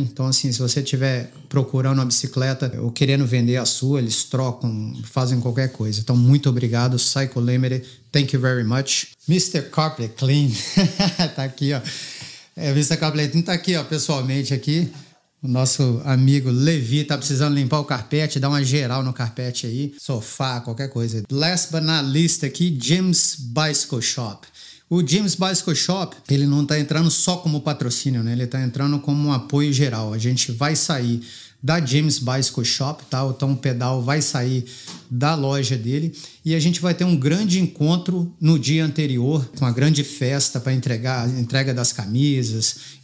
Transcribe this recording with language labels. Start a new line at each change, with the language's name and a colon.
Portuguese: Então, assim, se você estiver procurando uma bicicleta ou querendo vender a sua, eles trocam, fazem qualquer coisa. Então, muito obrigado, Cycle Limited.
English: Thank you very much.
Portuguese: Mr. Carpley Clean. Tá aqui, ó. É, Mr. Carpley Clean tá aqui, ó, pessoalmente aqui. O nosso amigo Levi tá precisando limpar o carpete, dar uma geral no carpete aí. Sofá, qualquer coisa.
English: Last but not least aqui, Jim's Bicycle Shop.
Portuguese: O Jim's Bicycle Shop, ele não está entrando só como patrocínio, né? Ele está entrando como um apoio geral. A gente vai sair da Jim's Bicycle Shop, tá? Então o pedal vai sair da loja dele. E a gente vai ter um grande encontro no dia anterior, uma grande festa para entregar, entrega das camisas.